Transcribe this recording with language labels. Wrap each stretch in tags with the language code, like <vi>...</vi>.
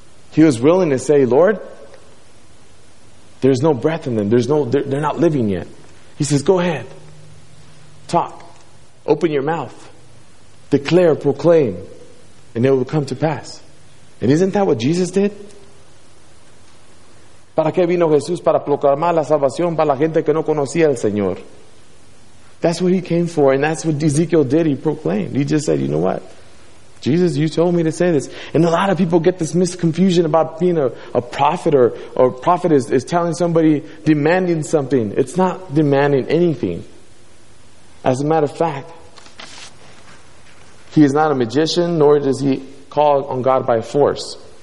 <en>He was willing to say, Lord, there's no breath in them. They're not living yet. He says, go ahead. Talk. Open your mouth. Declare, proclaim, and it will come to pass. And isn't that what Jesus did?</en> <es>¿Para qué vino Jesús? Para proclamar la salvación para la gente que no conocía al Señor.</es> <en>That's what he came for, and that's what Ezekiel did. He proclaimed. He just said, you know what? Jesus, you told me to say this. And a lot of people get this misconfusion about being a prophet or a prophet is telling somebody, demanding something. It's not demanding anything. As a matter of fact, he is not a magician, nor does he call on God by force.</en>